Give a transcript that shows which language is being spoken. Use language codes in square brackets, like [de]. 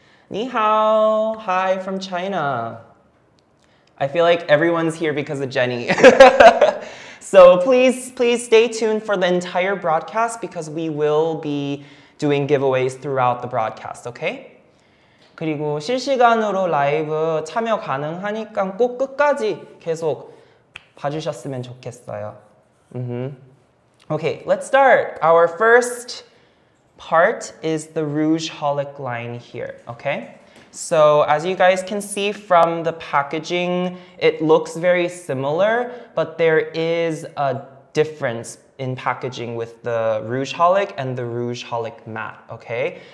[en] Ni hao! Hi from China. I feel like everyone's here because of Jennie. So please, please stay tuned for the entire broadcast because we will be doing giveaways throughout the broadcast, okay? [ko] 그리고 실시간으로 라이브 참여 가능하니까 꼭 끝까지 계속 봐주셨으면 좋겠어요. [en] Mm-hmm. Okay, let's start. Our first part is the Rouge Holic line here, okay? So as you guys can see from the packaging, it looks very similar, but there is a difference in packaging with the Rouge Holic and the Rouge Holic matte, okay?